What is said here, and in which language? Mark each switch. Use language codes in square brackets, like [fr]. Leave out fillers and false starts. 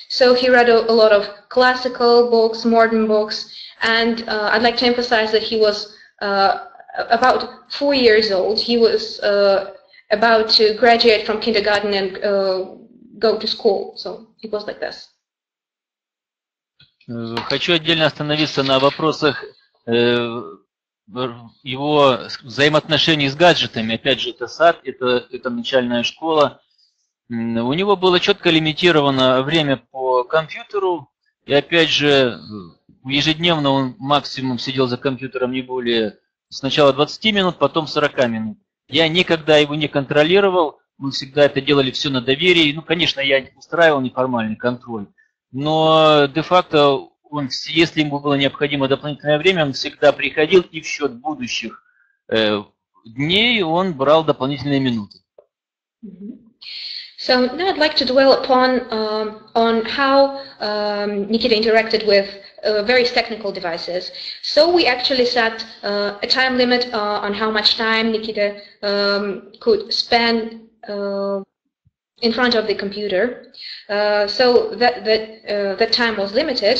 [en] So he read a lot of classical books, modern books, and I'd like to emphasize that he was about 4 years old. He was about to graduate from kindergarten and go to school. So it was like this. [ru] Хочу отдельно остановиться на вопросах его взаимоотношений с гаджетами. Опять же, это сад, это начальная школа. У него было четко лимитировано время по компьютеру. И опять же, ежедневно он максимум сидел за компьютером не более сначала 20 минут, потом 40 минут. Я никогда его не контролировал. Мы всегда это делали все на доверии. Ну, конечно, я устраивал неформальный контроль. Но де-факто, если ему было необходимо дополнительное время, он всегда приходил, и в счет будущих дней он брал дополнительные минуты. [en] So now I'd like to dwell upon on how Nikita interacted with various technical devices. So we actually set a time limit on how much time Nikita could spend in front of the computer, so that time was limited.